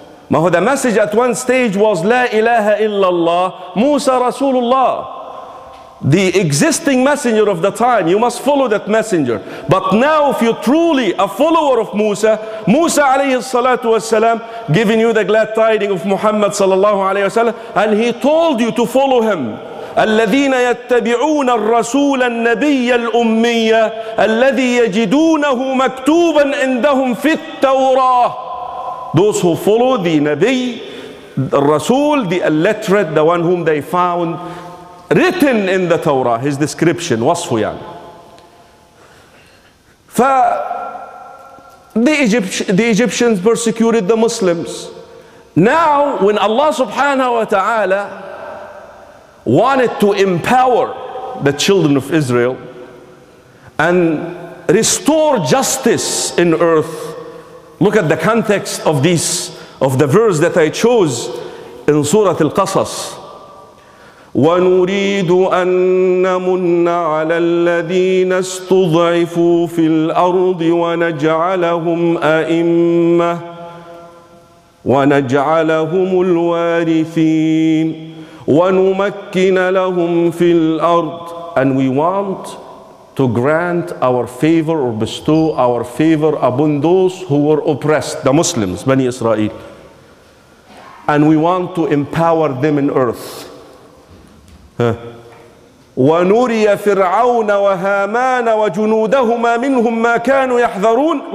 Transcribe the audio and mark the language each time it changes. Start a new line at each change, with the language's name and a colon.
English: The message at one stage was
Arabic: لا إله إلا الله, موسى رسول الله.
English: The existing messenger of the time, you must follow that messenger. But now, if you're truly a follower of Musa, Musa alayhi salatu wasalam, giving you the glad tiding of Muhammad sallallahu alayhi wasalam, and he told you to follow him.
Arabic: الذين يتبعون الرسول النبي الأمية الذي يجدونه مكتوبا عندهم في التوراة.
English: Those who follow the Nabi, the Rasul, the illiterate, the one whom they found written in the Torah, his description, wasfu yani. The Egyptians persecuted the Muslims. Now, when Allah subhanahu wa ta'ala wanted to empower the children of Israel and restore justice in earth, look at the context of this, of the verse that I chose in Surah Al-Qasas.
Arabic: ونريد أن نمن على الذين استضعفوا في الأرض ونجعلهم أئمة ونجعلهم الوارثين ونمكن لهم في الأرض.
English: And we want to grant our favor or bestow our favor upon those who were oppressed, the Muslims, Bani Israel. And we want to empower them in earth.
Arabic: وَنُرِيَ فِرْعَوْنَ وَهَامَانَ وَجُنُودَهُمَا مِنْهُمْ مَا كَانُوا يَحْذَرُونَ.